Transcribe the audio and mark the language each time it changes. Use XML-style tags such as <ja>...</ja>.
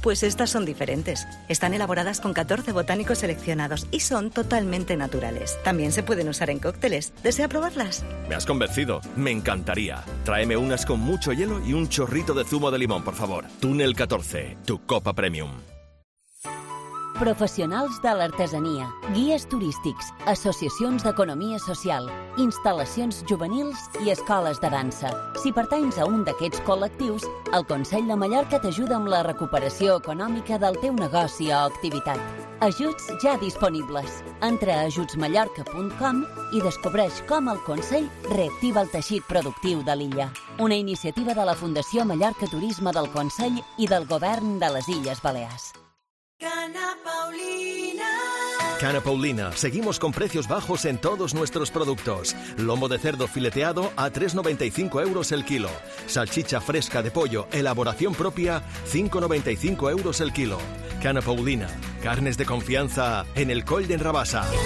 <es>Pues estas son diferentes. Están elaboradas con 14 botánicos seleccionados y son totalmente naturales. También se pueden usar en cócteles. ¿Desea probarlas? Me has convencido. Me encantaría. Tráeme unas con mucho hielo y un chorrito de zumo de limón, por favor. Túnel 14, tu copa premium.</es> <ca>Professionals de l'artesania, guies turístics, associacions d'economia social, instal·lacions juvenils i escoles de dansa. Si pertanys a un d'aquests col·lectius, el Consell de Mallorca t'ajuda amb la recuperació econòmica del teu negoci o activitat. Ajuts ja disponibles. Entra a ajutsmallorca.com i descobreix com el Consell reactiva el teixit productiu de l'illa. Una iniciativa de la Fundació Mallorca Turisme del Consell i del Govern de les Illes Balears.</ca> <es>Cana Paulina, seguimos con precios bajos en todos nuestros productos. Lomo de cerdo fileteado a 3,95 euros el kilo. Salchicha fresca de pollo, elaboración propia, 5,95 euros el kilo. Cana Paulina, carnes de confianza en el Col de Enrabasa.</es>